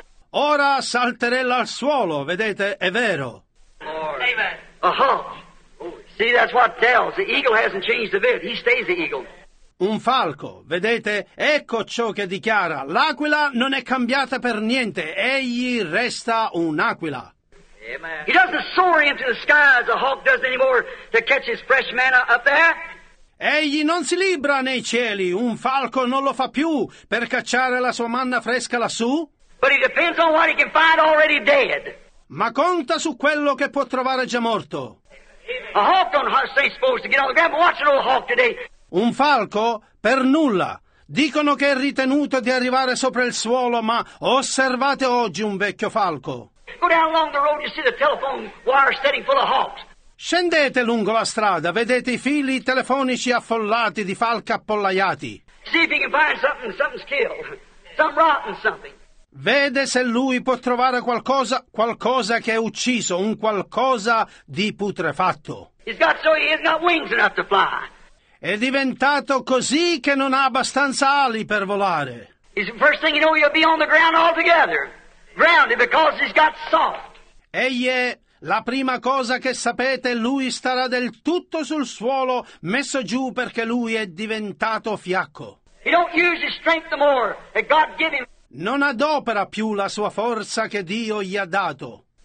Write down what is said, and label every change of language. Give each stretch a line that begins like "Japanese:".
Italian: Ora salterella al suolo, vedete, è vero.
English: A hawk. See, that's what tells. The eagle hasn't changed a bit. He stays the eagle.
Italian: un falco. Vedete, ecco ciò che dichiara. L'aquila non è cambiata per niente. Egli resta un'aquila.
English: Amen. He doesn't soar into the sky as a hawk does anymore to catch his fresh manna up there.
Italian: Egli non si libra nei cieli. Un falco non lo fa più per cacciare la sua manna fresca lassù.
English: But he depends on what he can find already dead.
Italian: Ma conta su quello che può trovare già morto.
English: A hawk don't stay supposed to get on the ground, but watch an old hawk today.
Italian: Un falco? Per nulla. Dicono che è ritenuto di arrivare sopra il suolo, ma osservate oggi un vecchio falco.
English: Go down along the road, you see the telephone wire standing full of hawks.
Italian: Scendete lungo la strada, vedete i fili telefonici affollati di falchi appollaiati.
English: See if you can find something's killed. Some rotten something.
Italian: Vede se lui può trovare qualcosa, qualcosa che è ucciso, un qualcosa di putrefatto.
English: He's got so he has got wings enough to fly.
Italian: È diventato così che non ha abbastanza ali per volare.
English: First thing you know, he'll be on the ground altogether. Grounded because he's got soft.
Italian: Egli è la prima cosa che sapete, lui starà del tutto sul suolo, messo giù perché lui è diventato fiacco.
English: He don't use his strength no more that God give him.
Italian: Non adopera più la sua forza che Dio gli ha dato.